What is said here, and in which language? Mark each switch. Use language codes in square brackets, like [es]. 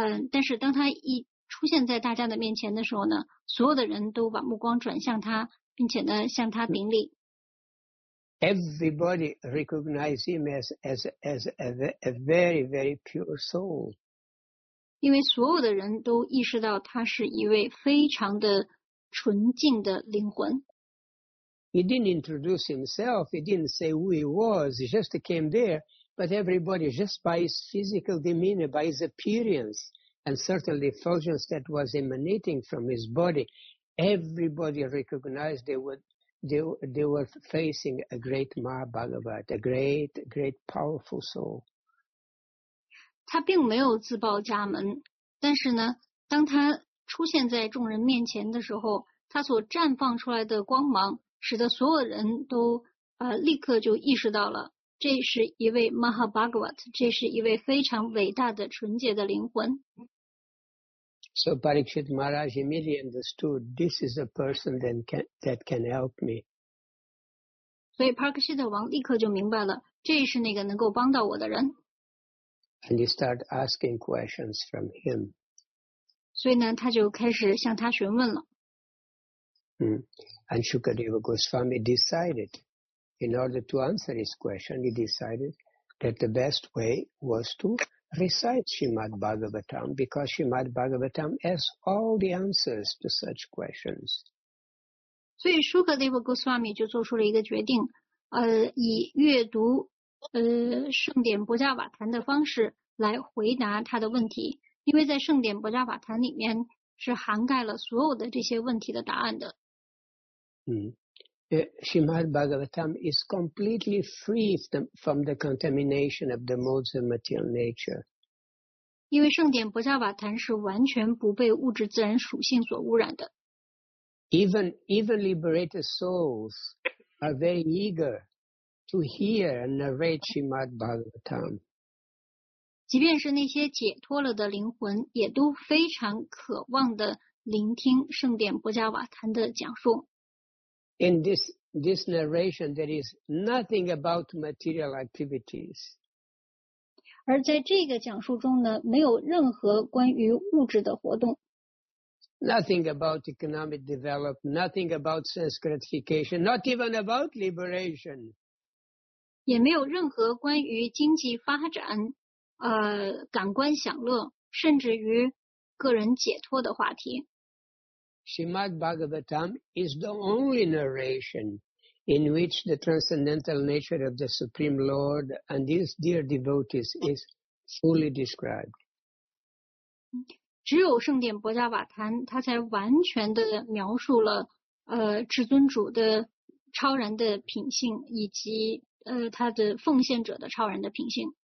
[zh] 但是当他一出现在大家的面前的时候呢，所有的人都把目光转向他，并且呢向他顶礼。 [en] Everybody recognized him as a very, very pure soul. [zh] 因为所有的人都意识到他是一位非常的纯净的灵魂。 [en] He didn't introduce himself, he didn't say who he was, he just came there, but everybody, just by his physical demeanor, by his appearance, and certainly the effulgence that was emanating from his body, everybody recognized they were facing a great Mahabhagavat, a great, great powerful soul. [zh] 他并没有自报家门，但是呢，当他出现在众人面前的时候，他所绽放出来的光芒使得所有人都立刻就意识到了，这是一位 Mahabhagavat， 这是一位非常伟大的纯洁的灵魂。 [en] So Parikshit Maharaj immediately understood this is a person that can help me. [zh] 所以 Parikshit 王立刻就明白了，这是那个能够帮到我的人。 [en] And he started asking questions from him. [zh] 所以呢，他就开始向他询问了。 [en] And Shukadeva Goswami decided, in order to answer his question, he decided that the best way was to recite Srimad Bhagavatam, because Srimad Bhagavatam has all the answers to such questions. [zh] 所以 Shukadeva Goswami 就做出了一个决定，以阅读圣典薄伽瓦坛的方式来回答他的问题，因为在圣典薄伽瓦坛里面是涵盖了所有的这些问题的答案的。 [en] Srimad Bhagavatam is completely free from the contamination of the modes of material nature. [zh] 因为圣典薄伽瓦坛是完全不被物质自然属性所污染的。 [en] Even liberated souls are very eager to hear and narrate Srimad Bhagavatam. [zh] 即便是那些解脱了的灵魂，也都非常渴望的聆听圣典薄伽瓦坛的讲述。 [en] In this narration, there is nothing about material activities. [zh] 而在这个讲述中呢，没有任何关于物质的活动。 [en] Nothing about economic development, nothing about sense gratification, not even about liberation. [zh] 也没有任何关于经济发展、感官享乐，甚至于个人解脱的话题。 [en] Srimad Bhagavatam is the only narration in which the transcendental nature of the Supreme Lord and His dear devotees is fully described. [zh] 只有圣典薄伽瓦坛，它才完全的描述了至尊主的超然的品性，以及他的奉献者的超然的品性。